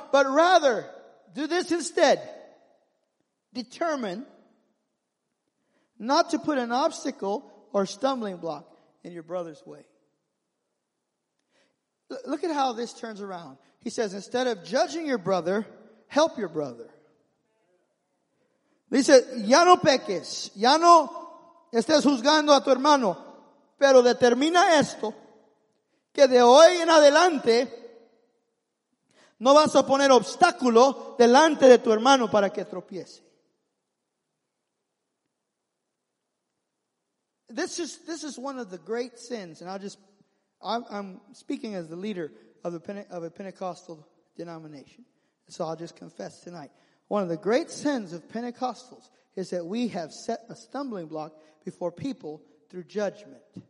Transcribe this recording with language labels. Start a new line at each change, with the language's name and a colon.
English: But rather, do this instead. Determine not to put an obstacle or stumbling block in your brother's way. Look at how this turns around. He says, instead of judging your brother, help your brother. He says,
Spanish: ya no peques, ya no estés juzgando a tu hermano, pero determina esto, que de hoy en adelante no vas a poner obstáculo delante de tu hermano para que tropiece.
English: This is one of the great sins, and I'm speaking as the leader of a Pentecostal denomination. So I'll just confess tonight. One of the great sins of Pentecostals is that we have set a stumbling block before people through judgment.